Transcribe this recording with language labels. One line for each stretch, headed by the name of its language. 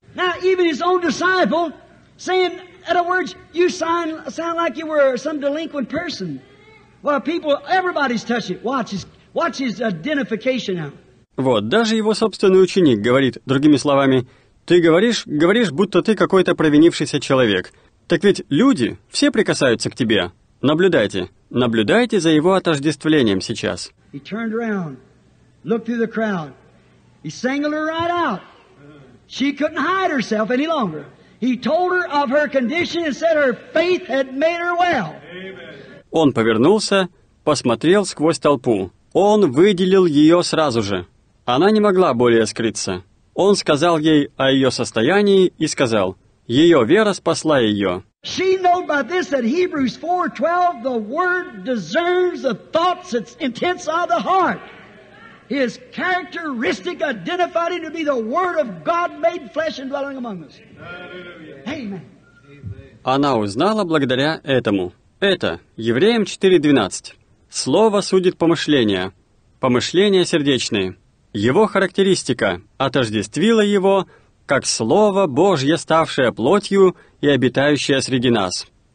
English: Now even his own disciple saying, in other words, you sound like you were some delinquent person. Well, people, everybody's touching. Watch his identification now.
Russian: Вот, даже его собственный ученик говорит, другими словами: «Ты говоришь, будто ты какой-то провинившийся человек. Так ведь люди, все прикасаются к тебе. Наблюдайте за его отождествлением сейчас».
English: He turned around, looked through the crowd. He singled her right out. She couldn't hide herself any longer. He told her of her condition and said her faith had made her well.
Russian: Он повернулся, посмотрел сквозь толпу. Он выделил ее сразу же. Она не могла более скрыться. Он сказал ей о ее состоянии и сказал: ее вера спасла ее.
English: She knows by this that Hebrews 4:12 the word discerns the thoughts and intents of the heart. His characteristic identified him to be the Word of God made flesh and dwelling among us. Amen.
Russian: Она узнала благодаря этому. Это Евреям 4:12. Слово судит помышления, помышления сердечные. Его характеристика отождествила его как Слово Божье, ставшее плотью и обитающее среди нас.